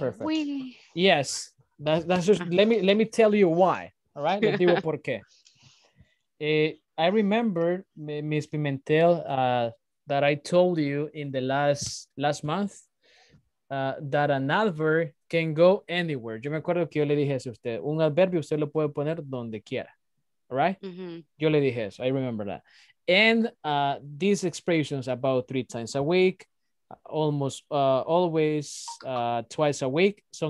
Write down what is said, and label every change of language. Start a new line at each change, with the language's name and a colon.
English: That's perfect. Oui. Yes. That's just let me tell you why. All right.
Spanish: Le digo por qué.
English: I remember Ms. Pimentel that I told you in the last month that an adverb can go anywhere.
Spanish: Yo me acuerdo que yo le dije eso a usted. Un adverbio usted lo puede poner donde quiera.
English: All right? Mm-hmm.
Spanish: Yo le dije eso.
English: I remember that. And these expressions about three times a week, almost always, twice a week,
Spanish: son